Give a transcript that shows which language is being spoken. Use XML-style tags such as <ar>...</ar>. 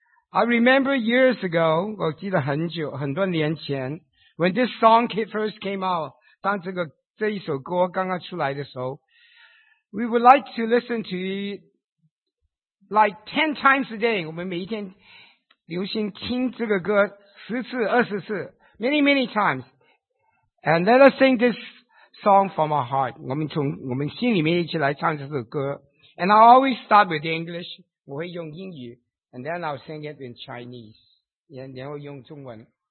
<en>I remember years ago,</en> <zh>我记得很久，很多年前，</zh> <en>when this song first came out,</en> <zh>当这一首歌刚刚出来的时候，</zh> <en>we would like to listen to it like 10 times a day,</en> <zh>我们每一天流行听这个歌十次二十次，</zh> <en>many many times. And let us sing this song from our heart.</en> <zh>我们从我们心里面一起来唱这首歌。</zh> <en>And I always start with English.</en> <zh>我会用英语。</zh> <en>And then I'll sing it in Chinese.</en> <zh>然后用中文。</zh>